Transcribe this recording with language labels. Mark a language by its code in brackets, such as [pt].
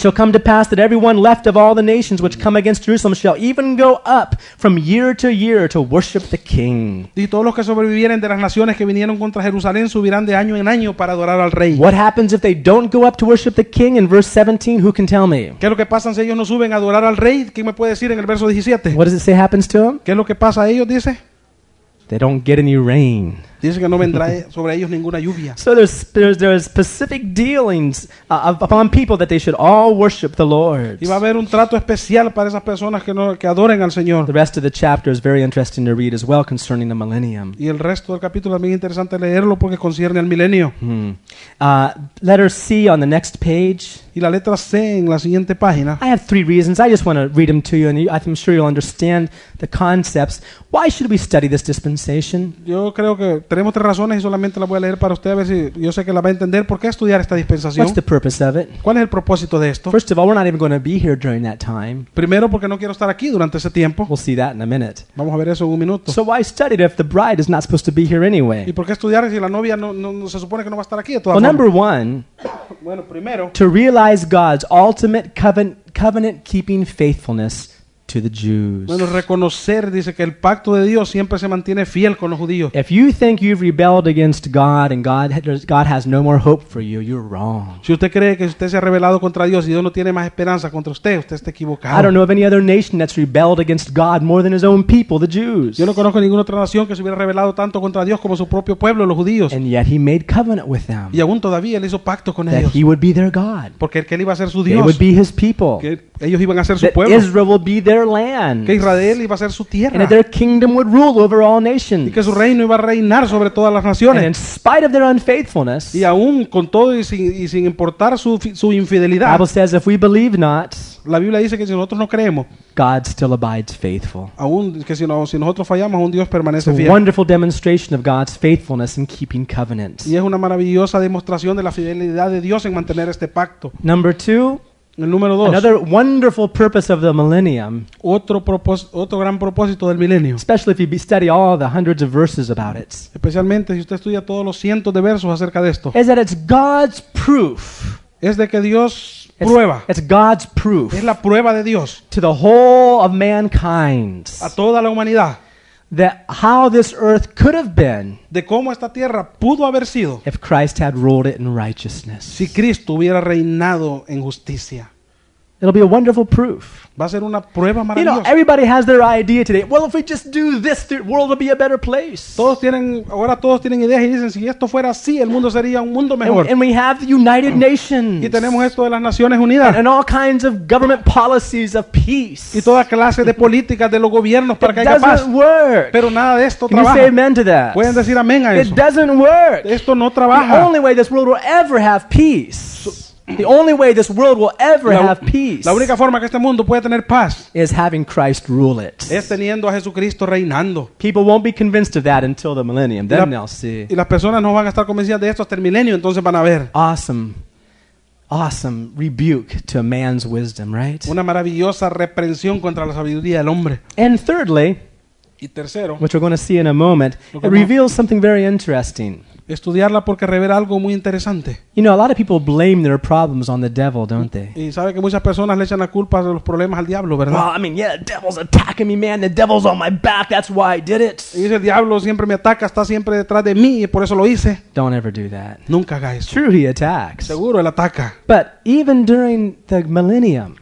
[en] shall come to pass that everyone left of all the nations which come against Jerusalem shall even go up from year to worship the king. [es] Y todos los que sobrevivieren de las naciones que vinieron contra Jerusalén subirán de año en año para adorar al rey. [en] What happens if they don't go up to worship the king in verse 17? Who can tell me? [es] ¿Qué es lo que pasa si ellos no suben a adorar al rey? ¿Quién me puede decir en el verso 17? [en] What does it say happens to them? [es] ¿Qué es lo que pasa a ellos, dice? [en] They don't get any rain. [es] Dice que no vendrá sobre ellos ninguna lluvia. [en] So there's specific dealings upon people that they should all worship the Lord. [es] Y va a haber un trato especial para esas personas que adoren al Señor. [en] The rest of the chapter is very interesting to read as well concerning the millennium. [es] Y el resto del capítulo es muy interesante leerlo porque concierne al milenio. [en] Letter C on the next page. [es] Y la letra C en la siguiente página. [en] I have three reasons. I just want to read them to you, and I'm sure you'll understand the concepts. Why should we study this dispensation? [es] Yo creo que tenemos tres razones y solamente la voy a leer para usted a ver si yo sé que la va a entender. ¿Por qué estudiar esta dispensación? [en] What's the purpose of it? [es] ¿Cuál es el propósito de esto? [en] First of all, we're not even going to be here during that time. [es] Primero, porque no quiero estar aquí durante ese tiempo. [en] We'll see that in a minute. [es] Vamos a ver eso en un minuto. [en] So why study it if the bride is not supposed to be here anyway? [es] ¿Y por qué estudiar si la novia no se supone que no va a estar aquí de todas formas? [en] Well, [es] forma? [en] Number one. [es] Bueno, primero. [en] To realize God's ultimate covenant-keeping faithfulness to the Jews. [es] Bueno, reconocer, dice que el pacto de Dios siempre se mantiene fiel con los judíos. [en] If you think you've rebelled against God and God has no more hope for you, you're wrong. [es] Si usted cree que usted se ha rebelado contra Dios y Dios no tiene más esperanza contra usted está equivocado. [en] I don't know of any other nation that's rebelled against God more than his own people, the Jews. [es] Yo no conozco ninguna otra nación que se hubiera rebelado tanto contra Dios como su propio pueblo, los judíos. [en] And yet he made covenant with them. [es] Y aún todavía él hizo pacto con ellos. [en] That he would be their God. [es] Porque él iba a ser su Dios. [en] They would be his people. [es] Que Ellos iban a ser su [en] that [es] pueblo. [en] Israel would be their land. [es] Que Israel iba a ser su tierra. [en] And that their kingdom would rule over all nations. [es] Y que su reino iba a reinar sobre todas las naciones. [en] And in spite of their unfaithfulness. [es] Y aún con todo y sin importar su infidelidad. [en] The Bible says if we believe not. [es] La Biblia dice que si nosotros no creemos. [en] God still abides faithful. [es] Aún que si nosotros fallamos, aún Dios permanece fiel. [en] A wonderful demonstration of God's faithfulness in keeping covenant. [es] Y es una maravillosa demostración de la fidelidad de Dios en mantener este pacto. [en] Number two. [es] El número dos. [en] Another wonderful purpose of the millennium. [es] Otro gran propósito del milenio. [en] Especially if you study all the hundreds of verses about it. [es] Especialmente si usted estudia todos los cientos de versos acerca de esto. [en] Is that it's God's proof. [es] Es de que Dios prueba. [en] It's God's proof. [es] Es la prueba de Dios. [en] To the whole of mankind. [es] A toda la humanidad. [en] That how this earth could have been. [es] De cómo esta tierra pudo haber sido. [en] If Christ had ruled it in righteousness. [es] Si Cristo hubiera reinado en justicia. [en] It'll be a wonderful proof. [es] Va a ser una prueba maravillosa. [en] You know, everybody has their idea today. Well, if we just do this, the world will be a better place. [es] Ahora todos tienen ideas y dicen, si esto fuera así, el mundo sería un mundo mejor. [en] And we have the United Nations. [es] Y tenemos esto de las Naciones Unidas. [en] And all kinds of government policies of peace. [es] Y toda clase de políticas de los gobiernos para que haya paz. [en] It doesn't work. [es] Pero nada de esto trabaja. [en] Can you say amen to that? [es] Pueden decir amén a eso. [en] It doesn't work. [es] Esto no trabaja. [en] The only way this world will ever have peace. The only way this world will ever have peace. [es] La única forma que este mundo puede tener paz [en] is having Christ rule it. [es] Es teniendo a Jesucristo reinando. [en] People won't be convinced of that until the millennium. Then they'll see. [es] Y las personas no van a estar convencidas de esto hasta el milenio, entonces van a ver. [en] Awesome. Awesome rebuke to a man's wisdom, right? [es] Una maravillosa reprensión contra la sabiduría del hombre. [en] And thirdly, [es] y tercero, [en] which we're going to see in a moment, it reveals something very interesting. [es] Estudiarla porque revela algo muy interesante. [en] You know, a lot of people blame their problems on the devil, don't they? [es] Y sabe que muchas personas le echan la culpa de los problemas al diablo, ¿verdad? [en] Well, I mean, yeah, the devil's attacking me, man. The devil's on my back. That's why I did it. [es] Y dice, el diablo siempre me ataca, está siempre detrás de mí y por eso lo hice. [en] Don't ever do that. [es] Nunca haga eso. [en] True, he attacks. [es] Seguro, él ataca. [en] But even during the millennium.